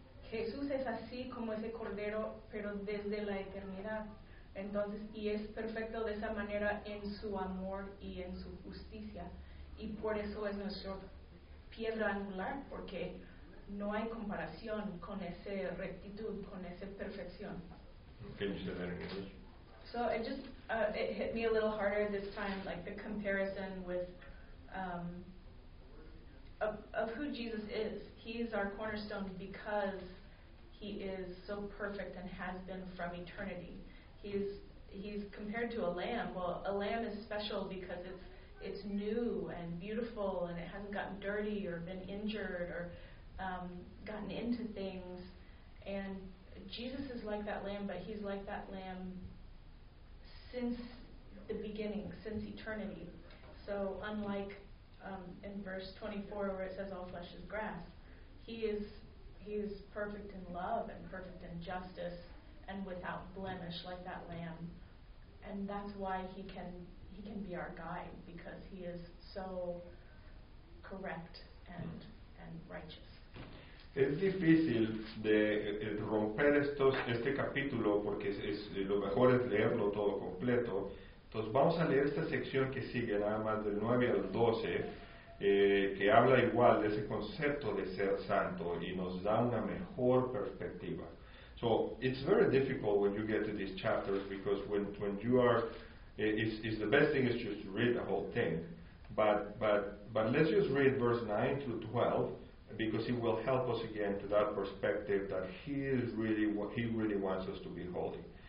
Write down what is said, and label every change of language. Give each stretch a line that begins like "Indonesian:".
Spanish: Jesús es así como ese cordero, pero desde la eternidad. Entonces, y es perfecto de esa manera en su amor y en su justicia. Y por eso es nuestra piedra angular, porque no hay comparación con esa rectitud, con esa perfección.
English: Can you say that in English? So it just it hit me a little harder this time, like the comparison with of who Jesus is. He is our cornerstone because he is so perfect and has been from eternity. He's compared to a lamb. Well, a lamb is special because it's new and beautiful, and it hasn't gotten dirty or been injured or gotten into things. And Jesus is like that lamb, but he's like that lamb since the beginning, since eternity. So unlike in verse 24 where it says all flesh is grass, he is perfect in love and perfect in justice and without blemish like that lamb. And that's why he can be our guide, because he is so correct and righteous.
Spanish: Es difícil de romper este capítulo, porque lo mejor es leerlo todo completo. Entonces vamos a leer esta sección que sigue, nada más del 9 al 12, que habla igual de ese concepto de ser santo y nos da una mejor perspectiva.
English: So it's very difficult when you get to these chapters, because when you are, it's the best thing is just to read the whole thing. But let's just read verse 9 through 12. Because it will help us again to that perspective that he really wants us to be holy.